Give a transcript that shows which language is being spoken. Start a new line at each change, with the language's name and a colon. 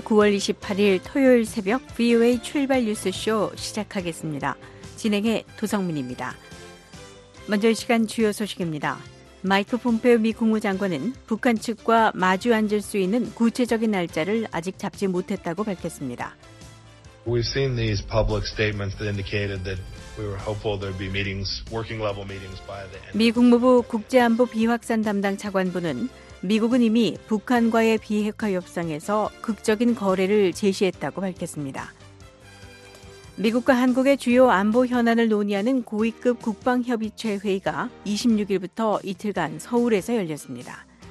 Korean: 9월 28일 토요일 새벽 VOA 출발 뉴스 쇼 시작하겠습니다. 진행의 도성민입니다. 먼저 이 시간 주요 소식입니다. 마이크 폼페오 미 국무장관은 북한 측과 마주 앉을 수 있는 구체적인 날짜를 아직 잡지 못했다고 밝혔습니다.
English: We've seen these public statements that indicated that we were hopeful there'd be meetings, working level meetings by the end.
Korean: 미 국무부 국제안보 비확산 담당 차관보는 미국은 이미 북한과의 비핵화 협상에서 극적인 거래를 제시했다고 밝혔습니다. 미국과 한국의 주요 안보 현안을 논의하는 고위급 국방협의체 회의가 26일부터 이틀간 서울에서 열렸습니다.